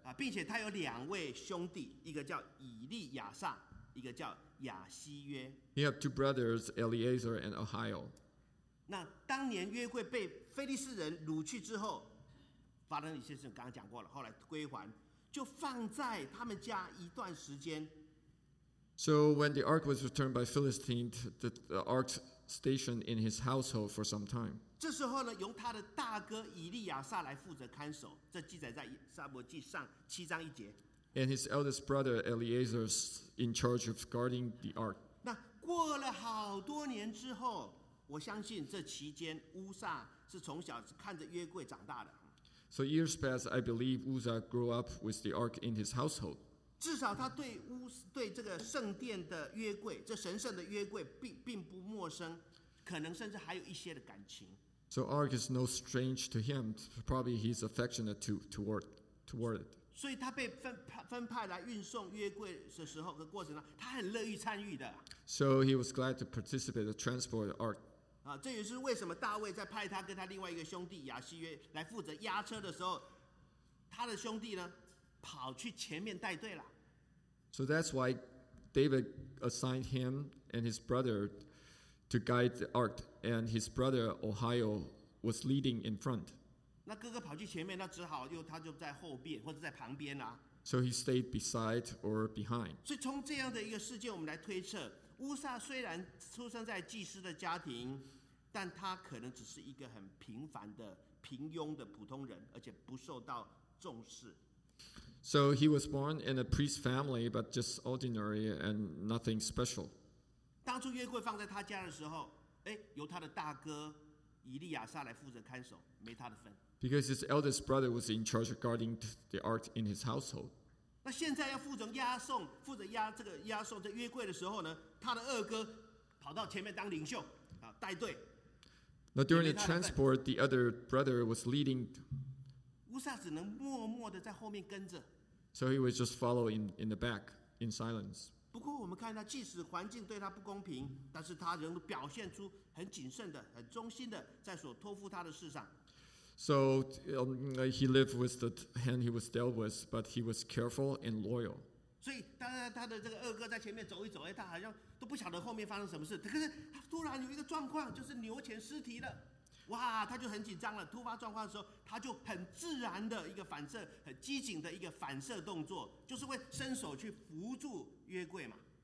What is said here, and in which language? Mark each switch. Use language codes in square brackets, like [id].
[zh] 并且他有两位兄弟，一个叫以利亚撒，一个叫亚西约。He [en] had two brothers, Eliezer and Ahio. [zh] 那当年约柜被非利士人掳去之后，发生一些事，刚刚讲过了，后来归还，就放在他们家一段时间。 [en] So when the ark was returned by Philistines, the ark stationed in his household for some time. [zh] 这时候呢，由他的大哥以利亚撒来负责看守，这记载在撒母耳记上七章一节。 [en] And his eldest brother Eleazar is in charge of guarding the ark. [zh] 那过了好多年之后，我相信这期间乌撒是从小看着约柜长大的。 [en] So years pass, I believe Uzzah grew up with the ark in his household. [zh] 至少他对这个圣殿的约柜，这神圣的约柜并不陌生，可能甚至还有一些的感情。 [en] So ark is no strange to him. Probably he's affectionate toward it. [zh] 所以他被分派来运送约柜的时候的过程呢，他很乐意参与的。 [en] So he was glad to participate to transport the ark. [zh] 这也是为什么大卫在派他跟他另外一个兄弟亚西约来负责押车的时候，他的兄弟呢跑去前面带队了。 [en] So that's why David assigned him and his brother to guide the ark, and his brother Ohio was leading in front. [zh] 那哥哥跑去前面，那只好又他就在后边或者在旁边了。 [en] So he stayed beside or behind. [zh] 所以从这样的一个事件，我们来推测。乌撒虽然出生在祭司的家庭，但他可能只是一个很平凡的、平庸的普通人，而且不受到重视。 [en] So he was born in a priest family, but just ordinary and nothing special. [zh] 当初约柜放在他家的时候，由他的大哥以利亚撒来负责看守，没他的份。 [en] Because his eldest brother was in charge of guarding the ark in his household. [zh] 那现在要负责押送这约柜的时候呢，他的二哥跑到前面当领袖啊，带队。 [en] 那 during the transport, the other brother was leading. [zh] 乌撒只能默默的在后面跟着。 [en] So he was just following in the back in silence. [zh] 不过我们看到，即使环境对他不公平，但是他仍表现出很谨慎的、很忠心的，在所托付他的事上。 [en] So he lived with the hand he was dealt with, but he was careful and loyal. [zh] 所以当他的这个二哥在前面走一走，他好像都不晓得后面发生什么事。可是他突然有一个状况，就是牛前失蹄了，哇，他就很紧张了。突发状况的时候，他就很自然的一个反射，很机警的一个反射动作，就是会伸手去扶住约柜嘛。